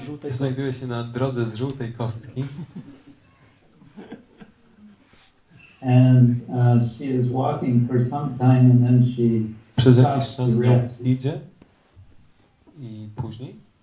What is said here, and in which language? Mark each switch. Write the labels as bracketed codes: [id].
[pl] Znajduje się na drodze z żółtej kostki. [en] And she is walking for some time and then she [pl] przez jakiś czas idzie i później